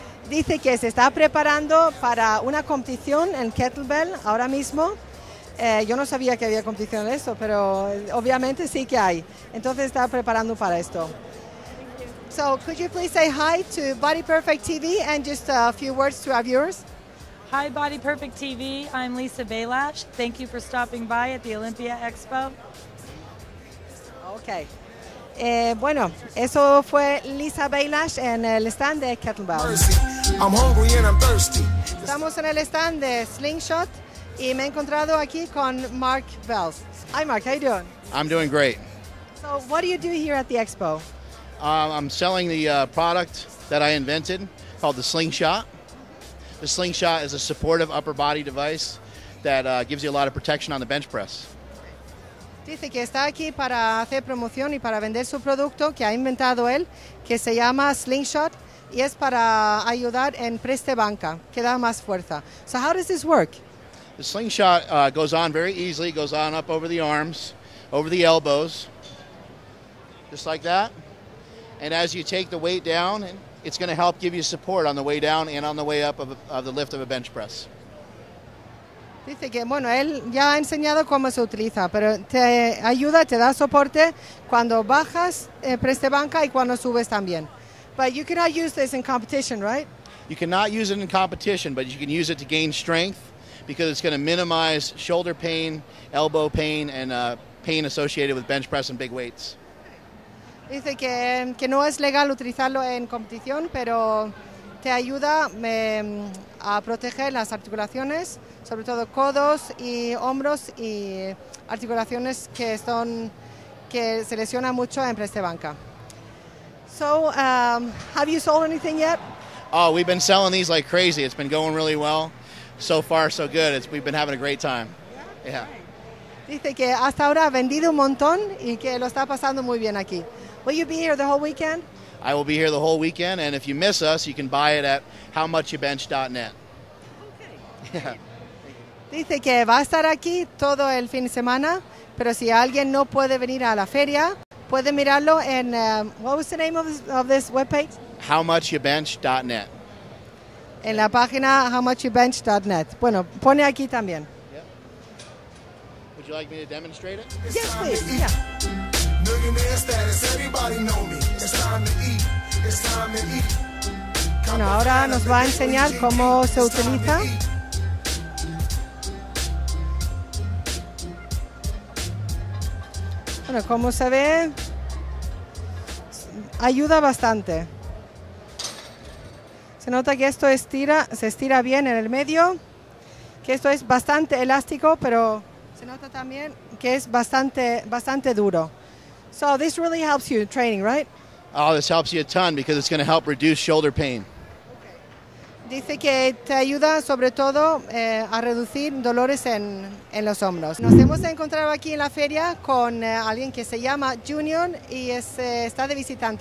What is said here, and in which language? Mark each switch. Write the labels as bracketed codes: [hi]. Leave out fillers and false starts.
[es] Dice que se está preparando para una competición en kettlebell ahora mismo. Yo no sabía que había competición en esto, pero obviamente sí que hay. Entonces está preparando para esto. [en] So, could you please say hi to Body Perfect TV and just a few words to our viewers? Hi, Body Perfect TV. I'm Lisa Balash. Thank you for stopping by at the Olympia Expo. Okay. [es] Bueno, eso fue Lisa Bailash en el stand de kettlebell. [en] I'm hungry and I'm thirsty. [es] Estamos en el stand de slingshot y me he encontrado aquí con Mark Bells. [en] Hi, Mark. How you doing? I'm doing great. So, what do you do here at the expo? I'm selling the product that I invented called the slingshot. The slingshot is a supportive upper body device that gives you a lot of protection on the bench press. [es] Dice que está aquí para hacer promoción y para vender su producto que ha inventado él, que se llama Slingshot, y es para ayudar en preste banca, que da más fuerza. [en] So how does this work? The Slingshot goes on very easily. It goes on up over the arms, over the elbows, just like that. And as you take the weight down, it's going to help give you support on the way down and on the way up of the lift of a bench press. [es] Dice que, bueno, él ya ha enseñado cómo se utiliza, pero te ayuda, te da soporte cuando bajas preste banca y cuando subes también. [en] But you cannot use this in competition, right? You cannot use it in competition, but you can use it to gain strength because it's going to minimize shoulder pain, elbow pain, and pain associated with bench press and big weights. [es] Dice que no es legal utilizarlo en competición, pero te ayuda a proteger las articulaciones, sobre todo codos y hombros y articulaciones que se lesionan mucho en preste banca. [en] So, have you sold anything yet? Oh, we've been selling these like crazy. It's been going really well. So far, so good. We've been having a great time. Yeah. [es] Dice que hasta ahora ha vendido un montón y que lo está pasando muy bien aquí. [en] Will you be here the whole weekend? I will be here the whole weekend, and if you miss us, you can buy it at howmuchyoubench.net. Okay. Yeah. [es] Dice que va a estar aquí todo el fin de semana, pero si alguien no puede venir a la feria, puede mirarlo en, [en] what was the name of this webpage? Howmuchyoubench.net. [es] En la página howmuchyoubench.net. Bueno, pone aquí también. [en] Yep. Would you like me to demonstrate it? Yes, please. Yeah. [es] Bueno, ahora nos va a enseñar cómo se utiliza. Bueno, como se ve, ayuda bastante. Se nota que esto se estira bien en el medio, que esto es bastante elástico, pero se nota también que es bastante duro. [en] So this really helps you in training, right? Oh, this helps you a ton because it's going to help reduce shoulder pain. Okay. [es] Dice que te ayuda sobre todo a reducir dolores en los hombros. Nos hemos encontrado aquí en la feria con alguien que se llama Junior y está de visitante aquí.